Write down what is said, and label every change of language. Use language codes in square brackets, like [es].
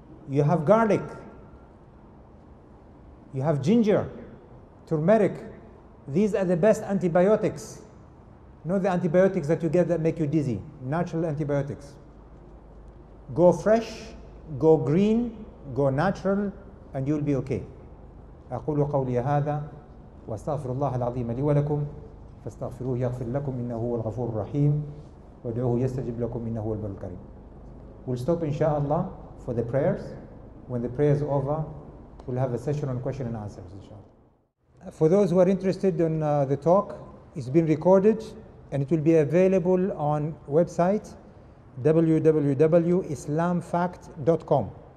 [en] You have garlic, you have ginger, turmeric. These are the best antibiotics. Not the antibiotics that you get that make you dizzy, natural antibiotics. Go fresh, go green, go natural, and you'll be okay. [ar] أقول قولي هذا وأستغفر الله العظيم لي ولكم فاستغفروه يغفر لكم إنه هو الغفور الرحيم وادعوه يستجب لكم إنه هو البر الكريم. [en] We'll stop inshallah for the prayers. When the prayer is over, we'll have a session on question and answers inshallah. For those who are interested in the talk, it's been recorded and it will be available on website www.islamfact.com.